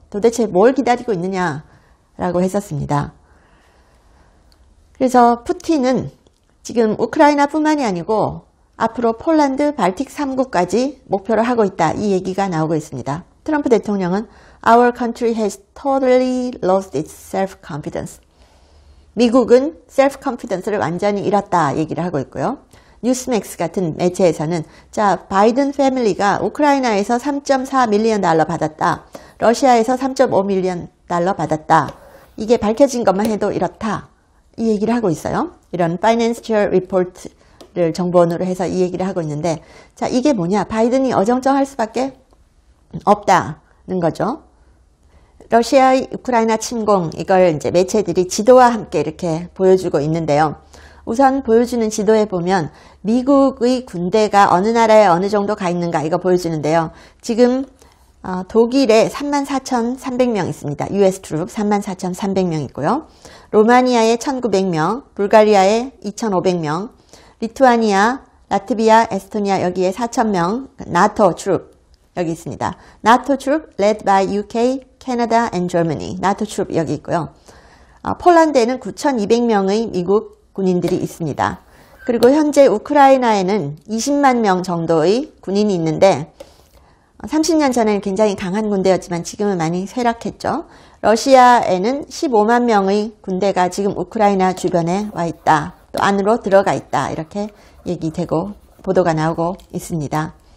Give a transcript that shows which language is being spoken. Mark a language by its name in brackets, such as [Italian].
[Korean] 도대체 뭘 기다리고 있느냐? 라고 했었습니다. 그래서 푸틴은 지금 우크라이나뿐만이 아니고 앞으로 폴란드, 발틱 3국까지 목표로 하고 있다. 이 얘기가 나오고 있습니다. 트럼프 대통령은 [English] Our country has totally lost its self-confidence. [Korean] 미국은 self-confidence를 완전히 잃었다. 얘기를 하고 있고요. 뉴스맥스 같은 매체에서는 자, 바이든 패밀리가 우크라이나에서 3.4밀리언 달러 받았다. 러시아에서 3.5밀리언 달러 받았다. 이게 밝혀진 것만 해도 이렇다. 이 얘기를 하고 있어요. 이런 파이낸셜 리포트를 정보원으로 해서 이 얘기를 하고 있는데 자, 이게 뭐냐? 바이든이 어정쩡할 수밖에 없다는 거죠. 러시아의 우크라이나 침공 이걸 이제 매체들이 지도와 함께 이렇게 보여주고 있는데요. 우선 보여주는 지도에 보면 미국의 군대가 어느 나라에 어느 정도 가 있는가 이거 보여주는데요. 지금 독일에 34,300명 있습니다. US troops 34,300명 있고요. 로마니아에 1,900명, 불가리아에 2,500명, 리투아니아, 라트비아, 에스토니아 여기에 4,000명, NATO troop 여기 있습니다. [English] NATO troop led by UK, Canada and Germany. [Korean] NATO troop 여기 있고요. 폴란드에는 9,200명의 미국 군인들이 있습니다. 그리고 현재 우크라이나에는 20만 명 정도의 군인이 있는데, 30년 전에는 굉장히 강한 군대였지만 지금은 많이 쇠락했죠. 러시아에는 15만 명의 군대가 지금 우크라이나 주변에 와 있다, 또 안으로 들어가 있다, 이렇게 얘기되고 보도가 나오고 있습니다.